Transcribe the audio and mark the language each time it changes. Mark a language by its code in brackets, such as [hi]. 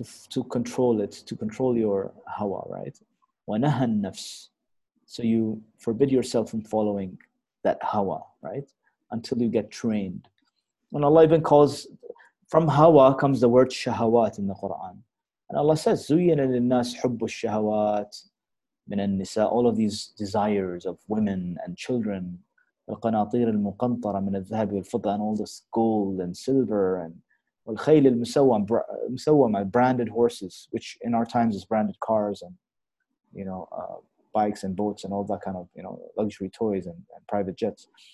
[en] To control it, to control your hawa, right? [ar] وَنَهَى النَّفْسِ. [en] So you forbid yourself from following that hawa, right? Until you get trained. And Allah even calls, from hawa comes the word shahawat in the Quran. And Allah says, [ar] زُيِّنَ لِلنَّاسِ حُبُّ الشَّهَوَاتِ مِنَ النِّسَاءِ. [en] All of these desires of women and children. [ar] وَالْقَنَاطِيرِ الْمُقَنْطَرَ مِنَ الذَّهَبِ وَالْفُضَّةِ. [en] And all this gold and silver and [ar] والخيل المسوم مسوم [en] branded horses, which in our times is branded cars and bikes and boats and all that kind of luxury toys and private jets.